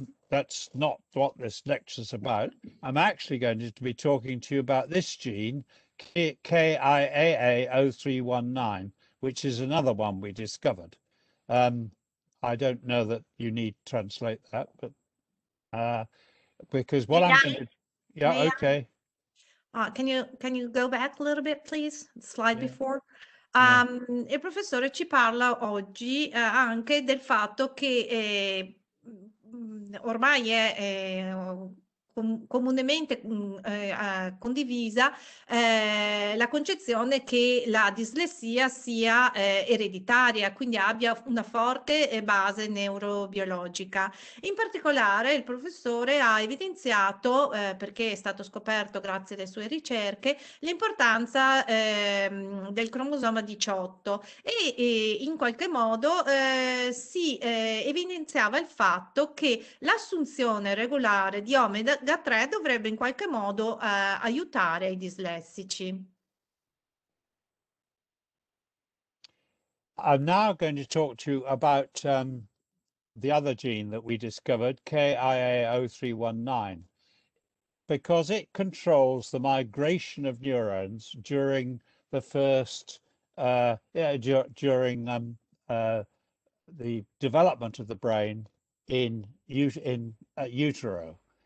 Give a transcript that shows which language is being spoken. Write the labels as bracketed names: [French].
[English] That's not what this lecture's about. I'm actually going to be talking to you about this gene, KIAA0319, which is another one we discovered. I don't know that you need to translate that, but because what can you go back a little bit, please? Slide before. [Italian] Il professore ci parla oggi anche del fatto che ormai è comunemente condivisa la concezione che la dislessia sia ereditaria, quindi abbia una forte base neurobiologica. In particolare il professore ha evidenziato, perché è stato scoperto grazie alle sue ricerche, l'importanza del cromosoma 18 e in qualche modo si evidenziava il fatto che l'assunzione regolare di omega 3 dovrebbe in qualche modo aiutare i dislessici. [English] I'm now going to talk to you about the other gene that we discovered, KIAA0319, because it controls the migration of neurons during the first the development of the brain in utero.